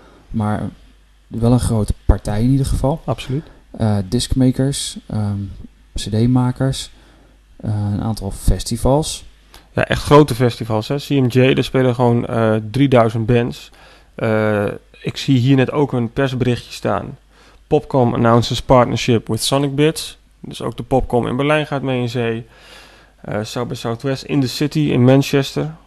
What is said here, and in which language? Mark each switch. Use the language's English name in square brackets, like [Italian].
[Dutch] Maar wel een grote partij in ieder geval. Absoluut. Discmakers, cd-makers, een aantal festivals. Ja, echt grote festivals. Hè? CMJ, daar spelen gewoon 3000 bands. Ik zie hier net ook een persberichtje staan. [English] Popcom announces partnership with Sonic Bits. [Dutch] Dus ook de Popcom in Berlijn gaat mee in zee. [English] South by Southwest in the City in Manchester.